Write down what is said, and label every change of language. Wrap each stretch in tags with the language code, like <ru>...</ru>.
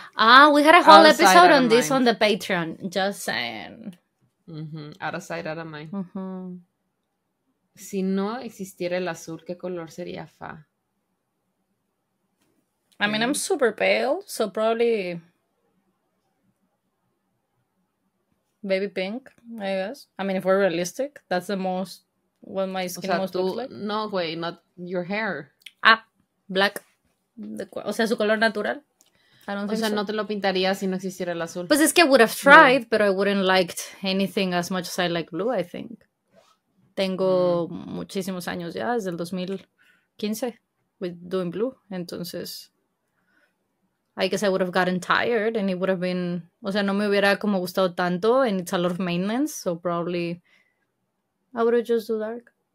<en>We had a whole episode on this on the Patreon. Just saying. Mm-hmm. Out of sight, out of mind. Mm-hmm.</en> <es>Si no existiera el azul, ¿qué color sería fa?</es> <en>I mean, I'm super pale, so probably baby pink, I guess. I mean, if we're realistic, that's the most, what my skin looks like.</en> <es>No, güey,</es> <en>not your hair.</en> <es>Black. O sea, su color natural. No te lo pintaría si no existiera el azul. Pues es que</es> <en>I would have tried, but I wouldn't liked anything as much as I like blue, I think.</en> <es>Tengo muchísimos años ya, desde el 2015,</es> <en>with doing blue,</en> <es>entonces...</es> <en>I guess I would have gotten tired and it would have been...</en> <es>O sea, no me hubiera como gustado tanto</es> <en>and it's a lot of maintenance, so probably I would have just do dark.</en>